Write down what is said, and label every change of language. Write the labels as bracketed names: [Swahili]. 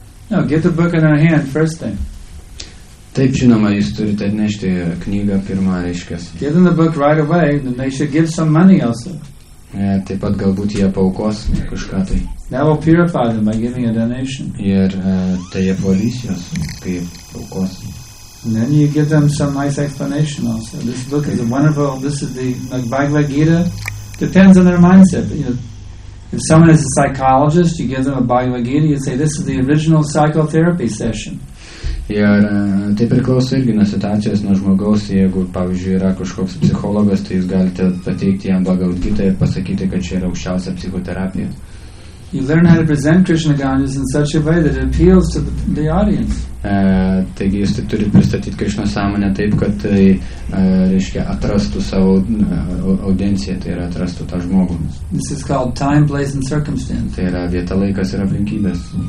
[English] No, get the book in our hand first thing. [Lithuanian] Taip, žinoma, jūs turite atnešti knygą pirmą, reiškias. [English] Give them the book right away, then they should give some money also. [Lithuanian] Taip pat galbūt jie paukos kažką tai. [English] That will purify them by giving a donation. [Lithuanian] Ir tai apvalys juos kaip paukos. [English] And then you give them some nice explanation also. This book is a wonderful, this is the Bhagavad Gita. Depends on their mindset. You know, if someone is a psychologist, you give them a Bhagavad Gita, you say, this is the original psychotherapy session. [Lithuanian] Ir tai priklauso irgi nuo situacijos, nuo žmogaus. Jeigu, pavyzdžiui, yra kažkoks psichologas, tai jūs galite pateikti jam Bhagavad Gita ir pasakyti, kad čia yra aukščiausia psichoterapija. [English] You learn how to present Krishna Ganges in such a way that it appeals to the audience. [Lithuanian] Taigi jūs taip turite pristatyti Krishna sąmonę taip, kad tai, reiškia, atrastų savo audienciją, tai yra atrastų tą žmogų. [English] This is called time, place and circumstance. [Lithuanian] Tai yra vieta, laikas ir aplinkybės.